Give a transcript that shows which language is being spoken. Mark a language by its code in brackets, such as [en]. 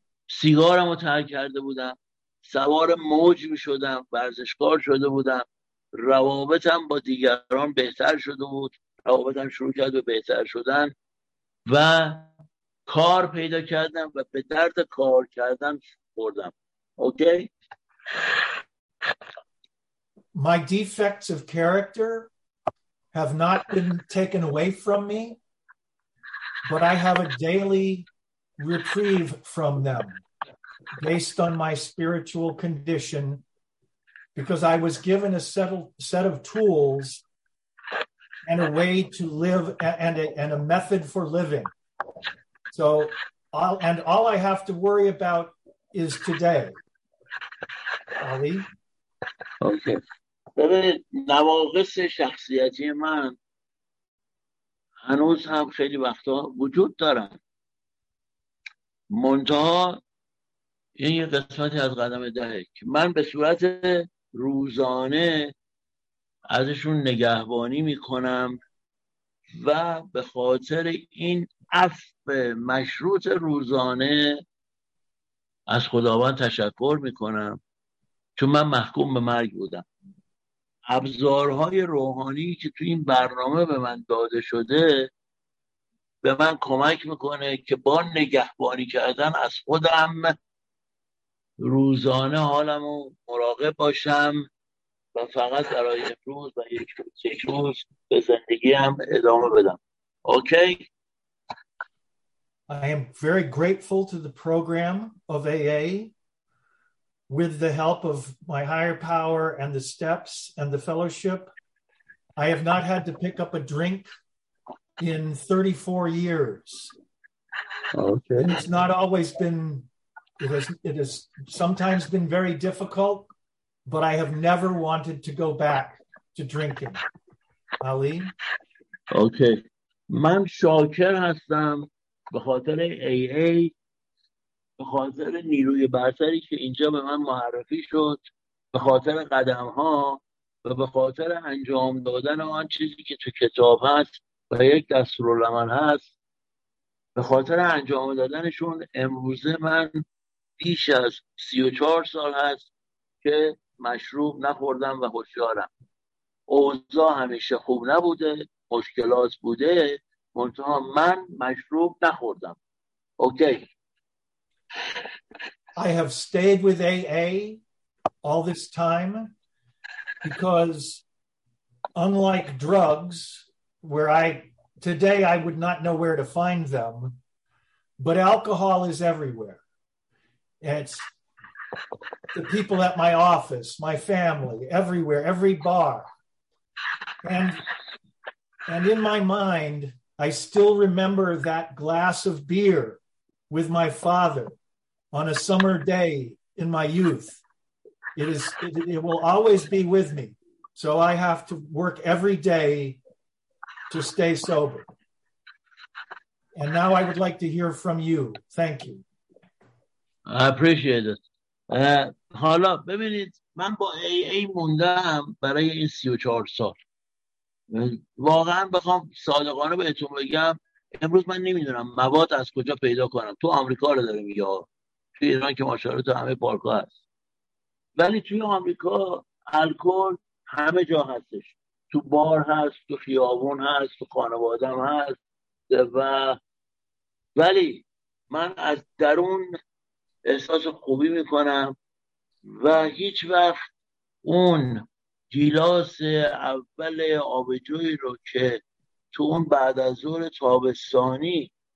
[fa] سیگارم رو ترک کرده بودم، سوار موج می شدم، ورزشکار شده بودم، روابطم با دیگران بهتر شده بود، روابطم شروع کرد به بهتر شدن و کار پیدا کردم و به درد کار کردم خوردم. [en] Okay? My defects of character have not been taken away from me, but I have a daily reprieve from them based on my spiritual condition, because I was given a set of tools and a way to live and a method for living. So, all I have to worry about is today. Ali? Okay. [fa] ببینید نواقص شخصیتی من هنوز هم خیلی وقتا وجود دارن، منتها این یه قسمتی از قدم دهه که من به صورت روزانه ازشون نگهبانی میکنم و به خاطر این عفو مشروط روزانه از خداوند تشکر میکنم، چون من محکوم به مرگ بودم. ابزارهای روحانی که تو این برنامه به من داده شده به من کمک میکنه که با نگهبانی کردن از خودم روزانه حالمو مراقب باشم و فقط برای امروز و یک روز به زندگیم ادامه بدم. [en] Okay? I am very grateful to the program of AA. With the help of my higher power and the steps and the fellowship, I have not had to pick up a drink in 34 years. Okay. And it's not always been, it has sometimes been very difficult, but I have never wanted to go back to drinking. Ali? Okay. [fa] من شاکر هستم به خاطر AA. به خاطر نیروی برتری که اینجا به من معرفی شد، به خاطر قدم‌ها و به خاطر انجام دادن آن چیزی که تو کتاب هست و یک دستورالعمل هست، به خاطر انجام دادنشون امروزه من بیش از 34 سال هست که مشروب نخوردم و هوشیارم. اوضاع همیشه خوب نبوده، مشکلات بوده، منتها من مشروب نخوردم. [en] Okay. I have stayed with AA all this time because, unlike drugs, where today I would not know where to find them, but alcohol is everywhere. It's the people at my office, my family, everywhere, every bar. And in my mind, I still remember that glass of beer with my father on a summer day in my youth. It will always be with me. So I have to work every day to stay sober. And now I would like to hear from you. Thank you. I appreciate it. [fa] حالا ببینید من با AA موندم برای این 34 سال. واقعا بخوام صادقانه بهتون بگم امروز من نمیدونم مواد از کجا پیدا کنم. تو آمریکا رو دارم یا توی ایران که ماشاءالله تو همه پارک‌ها هست، ولی توی آمریکا الکل همه جا هستش، تو بار هست، تو خیابون هست، تو خانوادم هست، و ولی من از درون احساس خوبی میکنم و هیچ وقت اون گیلاس اول آبجویی رو که تو اون بعد از ظهر تابستانی